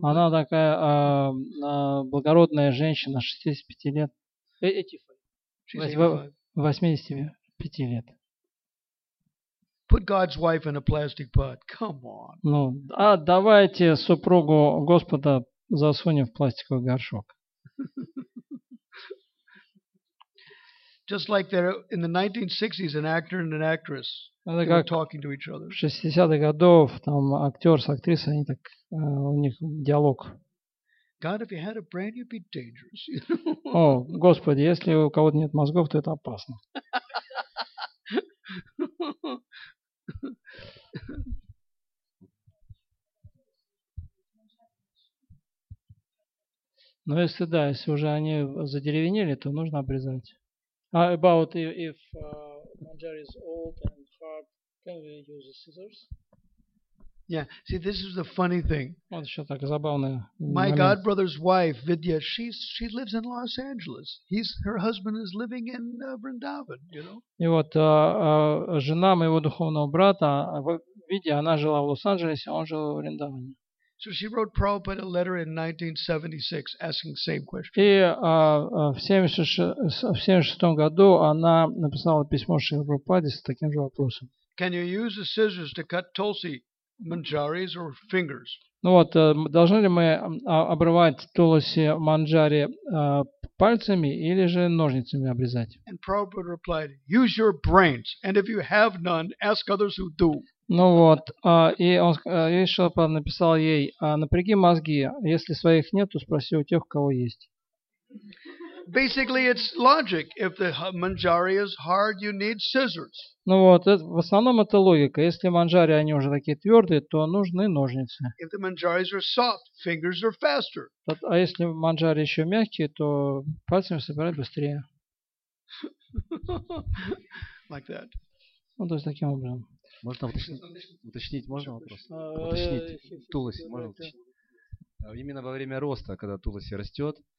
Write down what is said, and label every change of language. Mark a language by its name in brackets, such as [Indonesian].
[Russian] Она такая благородная женщина, 65 лет. 85 лет. [English] Put God's wife in a plastic pot. Come on. [Russian] Ну, а давайте супругу Господа засунем в пластиковый горшок. [English] Just like there in the 1960s, an actor and an actress were talking to each other. [Russian] 60-х годов там актер с актрисой, они так у них диалог. [English] God, if you had a brain, you'd be dangerous. [Russian] О, Господи, если у кого-то нет мозгов, то это опасно. Ну, если да, если уже они задеревенели, то нужно обрезать. [English] About if manger is old and hard, can we use the scissors? Yeah, see, this is the funny thing. [Russian] Вот еще так забавное. [English] My godbrother's wife, Vidya, she lives in Los Angeles. Her husband is living in Vrindavan, you know. [Russian] И вот жена моего духовного брата, Vidya, она жила в Лос-Анджелесе, он жил в Вриндаване. [English] So she wrote Prabhupada a letter in 1976 asking the same question. [Russian] И в 76 году она написала письмо Шриле Прабхупаде с таким же вопросом. [English] Can you use the scissors to cut tulsi? Manjaris or fingers. [Russian] Ну вот, должны ли мы обрывать тулоси манджари пальцами или же ножницами обрезать? [English] And Prabhupada replied, use your brains, and if you have none, ask others who do. [Russian] Ну вот, и Шилопад написал ей, напряги мозги, если своих нет, то спроси у тех, у кого есть. [English] Basically, it's logic. If the manjari is hard, you need scissors. [Russian] Ну вот, в основном это логика. Если манджари, они уже такие твердые, то нужны ножницы. [English] If the manjaris are soft, fingers are faster. [Russian] А если манджари еще мягкие, то пальцами собирать быстрее. [English] Like that. [Russian] Ну, то есть таким образом. Можно уточнить? Можно вопрос? Уточнить. Тулоси, можно уточнить? Именно во время роста, когда тулоси растет,